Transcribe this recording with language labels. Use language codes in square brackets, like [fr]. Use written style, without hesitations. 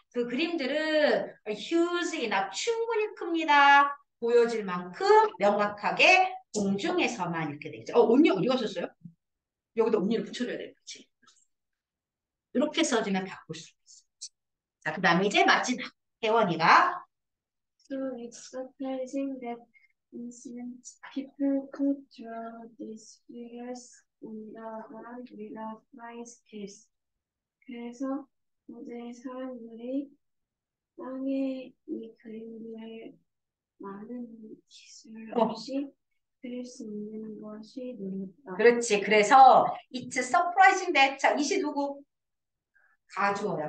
[ko] 그 그림들은 [en] huge enough [ko] 충분히 큽니다. 보여질 만큼 명확하게 공중에서만 이렇게 돼 있죠. 언니 어디 가셨어요? 여기다 언니를 붙여줘야 돼. 그렇지? 이렇게 써주면 바꿀 수 있어. 자, 그 다음에 이제 마지막, 혜원이가. [en] So it's surprising that ancient people could draw these figures on the ground without flying skills. [ko] 그래서 고대 사람들이 땅에 이 그림들을 많은 기술 없이 그릴 수 있는 것이 놀랍다. 그렇지. 그래서 [en] it's surprising that [ko] 자, 이시 누구? 가주어야.